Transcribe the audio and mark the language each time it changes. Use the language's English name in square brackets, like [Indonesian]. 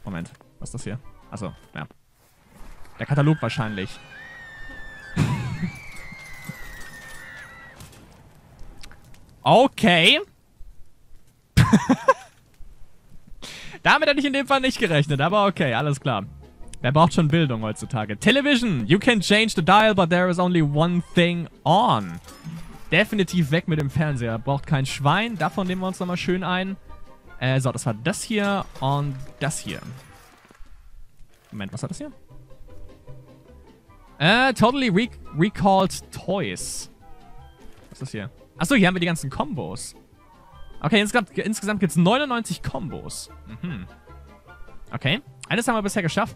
[German] Moment, was ist das hier? Achso, ja. Der Katalog wahrscheinlich. Okay. Damit hätte ich in dem Fall nicht gerechnet, aber okay, alles klar. Wer braucht schon Bildung heutzutage? [English] Television, you can change the dial, but there is only one thing on. [German] Definitiv weg mit dem Fernseher. Braucht kein Schwein. Davon nehmen wir uns nochmal schön ein. So, das war das hier und das hier. Moment, was war das hier? [English] Totally recalled toys. [German] Was ist das hier? Achso, hier haben wir die ganzen Kombos. Okay, insgesamt gibt es 99 Kombos. Mhm. Okay. Eines haben wir bisher geschafft.